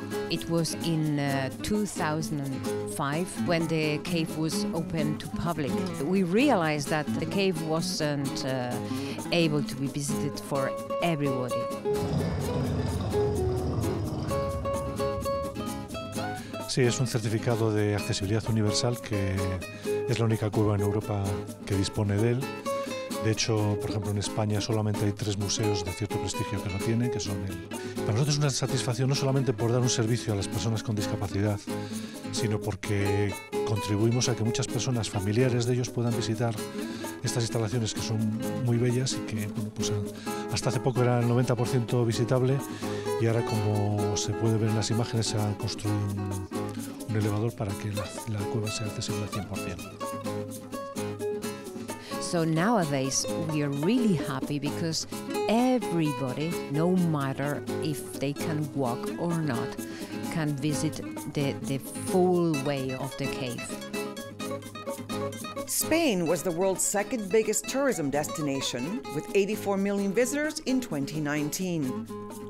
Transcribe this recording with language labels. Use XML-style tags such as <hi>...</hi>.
<en>It was in 2005 when the cave was open to public. We realized that the cave wasn't able to be visited for everybody.</en> <es>Sí, es un certificado de accesibilidad universal que es la única cueva en Europa que dispone de él. De hecho, por ejemplo, en España solamente hay tres museos de cierto prestigio que lo tienen, que son el... Para nosotros es una satisfacción no solamente por dar un servicio a las personas con discapacidad, sino porque contribuimos a que muchas personas familiares de ellos puedan visitar estas instalaciones que son muy bellas y que, bueno, pues hasta hace poco era el 90% visitable y ahora, como se puede ver en las imágenes, se ha construido un elevador para que la cueva sea accesible al 100%.</es> <en>So nowadays, we are really happy because everybody, no matter if they can walk or not, can visit the full way of the cave. Spain was the world's second biggest tourism destination with 84 million visitors in 2019.</en>